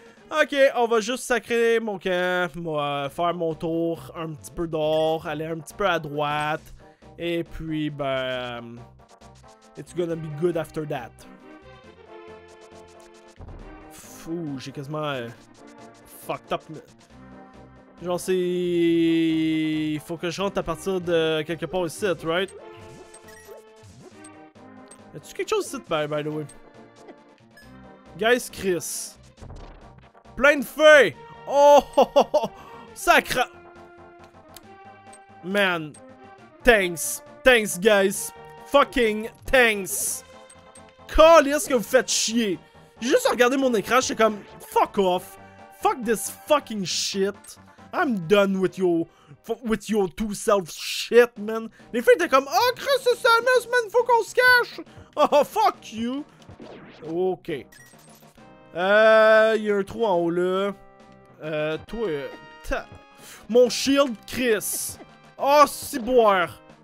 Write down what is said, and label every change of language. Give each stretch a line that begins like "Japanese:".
French: Ok, on va juste sacrer mon camp, faire mon tour un petit peu d'or, aller un petit peu à droite. Et puis,
English: it's gonna be good after that.
French: Fou, j'ai quasiment fucked up. Genre, c'est... Il faut que je rentre à partir de quelque part ici, right? Y'a-tu quelque chose ici,
English: by the way?
French: Guys, Chris. Plein de feu!
English: Oh! Sacre! Man. Thanks. Thanks, guys. fucking thanks.
French: Calisse que vous faites chier. J'ai juste regardé mon écran, j'étais comme, fuck off.
English: Fuck this fucking shit. I'm done with your two self shit, man.
French: Les filles étaient comme, oh, Chris, c'est sa messe, man, faut qu'on se cache.
English: Oh, fuck you.
French: Ok. Il y a un trou en haut, là. Toi, mon shield, Chris. Oh, ciboire.